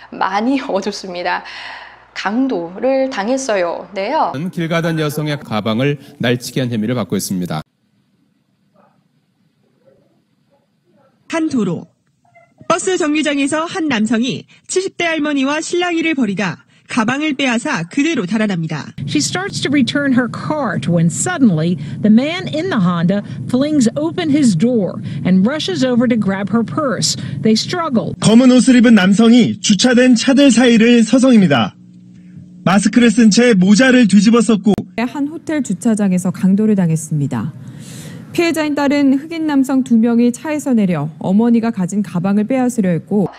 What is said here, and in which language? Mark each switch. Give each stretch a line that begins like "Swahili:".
Korean: 많이 어둡습니다. 강도를 당했어요. 네요. 길 가던 여성의 가방을 날치기 한 혐의를 받고 있습니다. 한 도로. 버스 정류장에서 한 남성이 70대 할머니와 실랑이를 벌이다 가방을 빼앗아 그대로 달아납니다.
English: She starts to return her cart when suddenly the man in the Honda flings open his door and rushes over to grab her purse. They struggle.
Korean: 검은 옷을 입은 남성이 주차된 차들 사이를 서성입니다. 마스크를 쓴채 모자를 뒤집어 썼고 한 호텔 주차장에서 강도를 당했습니다. 피해자인 딸은 흑인 남성 두 명이 차에서 내려 어머니가 가진 가방을 빼앗으려 했고